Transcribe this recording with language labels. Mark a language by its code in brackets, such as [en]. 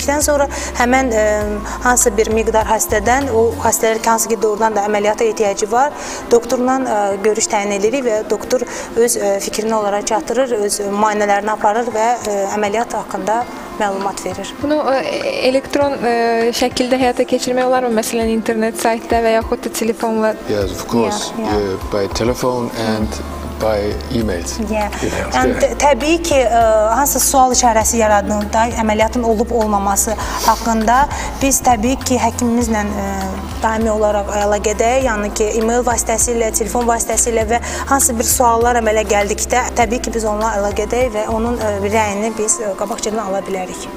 [az] keçdikdən sonra həmin hansı bir miqdar xəstədən o xəstələr ki, hansı ki, doğrudan da əməliyyata ehtiyacı var, doktorla görüş təyin edirik və doktor öz fikrini olaraq çatdırır, öz müayinələrini aparır və əməliyyat haqqında məlumat verir. Bunu elektron şəkildə həyata keçirmək olar mı? Məsələn, internet saytda və yaxud da telefonla? [en] Yes, of course. By telephone and by emails. Yeah. And [az] təbii ki, hansı sual işarəsi yaradığında əməliyyatın olub olmaması haqqında biz təbii ki, həkimimizlə daimi olaraq əlaqədə, yəni ki, email vasitəsilə, telefon vasitəsilə və hansı bir suallar əmələ gəldikdə təbii ki, biz onunla əlaqədəyik və onun rəyini biz qabaqcadan ala bilərik.